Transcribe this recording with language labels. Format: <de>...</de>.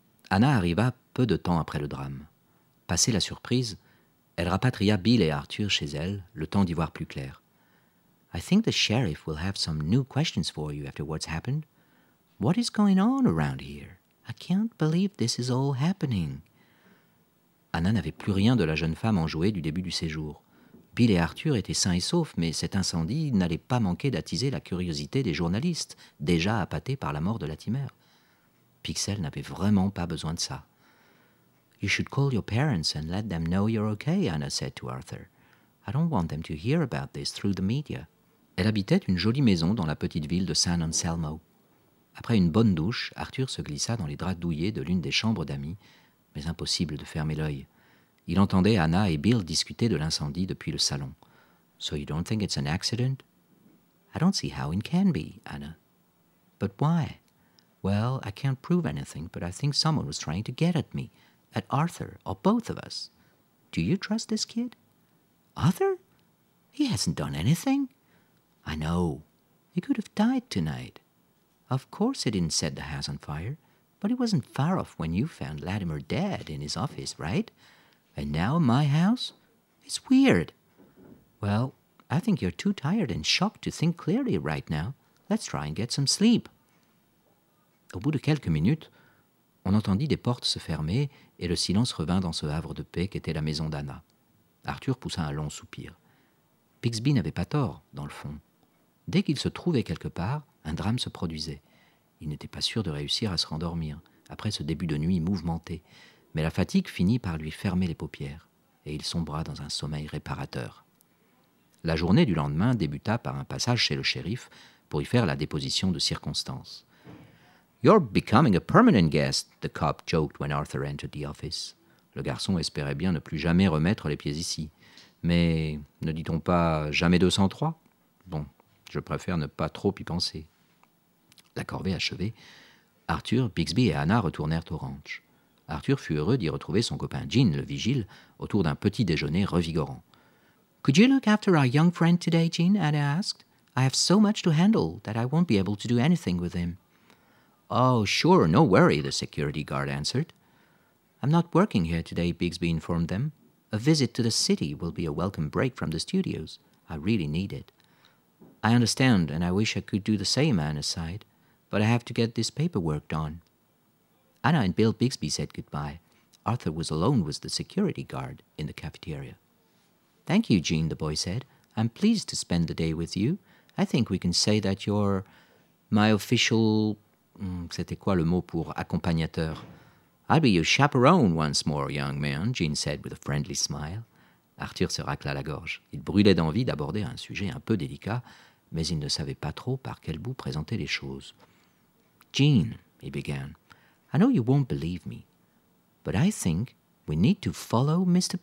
<fr>Anna arriva peu de temps après le drame. Passée la surprise, elle rapatria Bill et Arthur chez elle, le temps d'y voir plus clair.</fr> <en>I think the sheriff will have some new questions for you after what's happened. What is going on around here? I can't believe this is all happening.</en> <fr>Anna n'avait plus rien de la jeune femme enjouée du début du séjour. Bill et Arthur étaient sains et saufs, mais cet incendie n'allait pas manquer d'attiser la curiosité des journalistes, déjà appâtés par la mort de Latimer. Pixel n'avait vraiment pas besoin de ça.</fr> <en>« You should call your parents and let them know you're okay, » Anna said to Arthur. « I don't want them to hear about this through the media. »</en> <fr>Elle habitait une jolie maison dans la petite ville de San Anselmo. Après une bonne douche, Arthur se glissa dans les draps douillés de l'une des chambres d'amis, mais impossible de fermer l'œil. Il entendait Anna et Bill discuter de l'incendie depuis le salon.</fr> <en>« So you don't think it's an accident ?»« I don't see how it can be, Anna. »« But why ?»« Well, I can't prove anything, but I think someone was trying to get at me. » At Arthur, or both of us. Do you trust this kid? Arthur? He hasn't done anything. I know. He could have died tonight. Of course he didn't set the house on fire, but he wasn't far off when you found Latimer dead in his office, right? And now my house? It's weird. Well, I think you're too tired and shocked to think clearly right now. Let's try and get some sleep.</en> <fr>Au bout de quelques minutes, on entendit des portes se fermer et le silence revint dans ce havre de paix qu'était la maison d'Anna. Arthur poussa un long soupir. Bixby n'avait pas tort, dans le fond. Dès qu'il se trouvait quelque part, un drame se produisait. Il n'était pas sûr de réussir à se rendormir, après ce début de nuit mouvementé, mais la fatigue finit par lui fermer les paupières, et il sombra dans un sommeil réparateur. La journée du lendemain débuta par un passage chez le shérif pour y faire la déposition de circonstances.</fr> <en>You're becoming a permanent guest, the cop joked when Arthur entered the office.</en> <fr>Le garçon espérait bien ne plus jamais remettre les pieds ici. Mais ne dit-on pas jamais 203? Bon, je préfère ne pas trop y penser. La corvée achevée, Arthur, Bixby et Anna retournèrent au ranch. Arthur fut heureux d'y retrouver son copain Jean, le vigile, autour d'un petit déjeuner revigorant.</fr> <en>Could you look after our young friend today, Jean? Anna asked. I have so much to handle that I won't be able to do anything with him. Oh, sure, no worry, the security guard answered. I'm not working here today, Bixby informed them. A visit to the city will be a welcome break from the studios. I really need it. I understand, and I wish I could do the same, Anna sighed, but I have to get this paperwork done. Anna and Bill Bixby said goodbye. Arthur was alone with the security guard in the cafeteria. Thank you, Jean, the boy said. I'm pleased to spend the day with you. I think we can say that you're my official...</en> <fr>C'était quoi le mot pour accompagnateur?</fr> <en>I'll be your chaperone once more, young man, Jean said with a friendly smile.</en> <fr>Arthur se racla la gorge. Il brûlait d'envie d'aborder un sujet un peu délicat, mais il ne savait pas trop par quel bout présenter les choses.</fr> <en>Jean, he began, I know you won't believe me, but I think we need to follow Mr.</en>